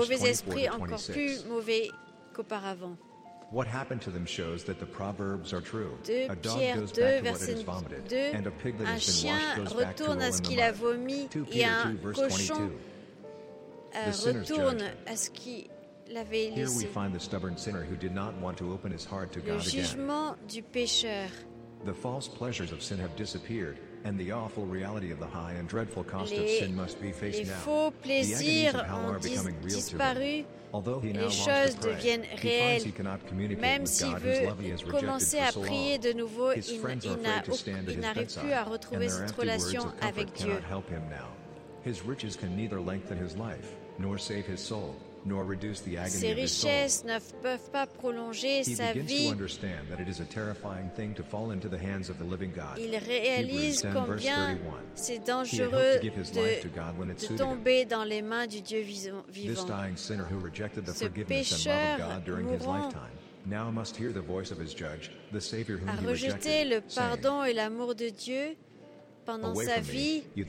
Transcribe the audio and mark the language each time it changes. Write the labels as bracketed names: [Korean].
[French] ramène sept autres esprits encore plus mauvais qu'auparavant. [English] What happened to them shows that the proverbs are true. A dog goes back to what it has vomited, and a pig that has been washed goes back to ce qu'il a vomi, et un cochon retourne à ce qui Here we find the stubborn sinner who did not want to open his heart to God again. [French] Le jugement du pécheur. [English] The false pleasures of sin have disappeared, and the awful reality of the high and dreadful cost of sin must be faced now. [French] Les faux plaisirs ont disparu. [English] Although he [French] les choses deviennent réelles, même s'il veut commencer à prier de nouveau, il n'arrive plus à retrouver cette relation avec Dieu. [English] His riches can neither lengthen his life nor save his soul. Nor reduce the agony [French] ses richesses ne peuvent pas prolonger sa vie. [English] To understand that it is a terrifying thing to fall into the hands of the living God. [French] Il réalise combien c'est dangereux de tomber dans les mains du Dieu vivant. [English] This dying sinner who rejected the forgiveness and love of God during his lifetime now must hear the voice of his judge, the Savior whom he rejected. [French] A rejeté le pardon et l'amour de Dieu pendant sa vie,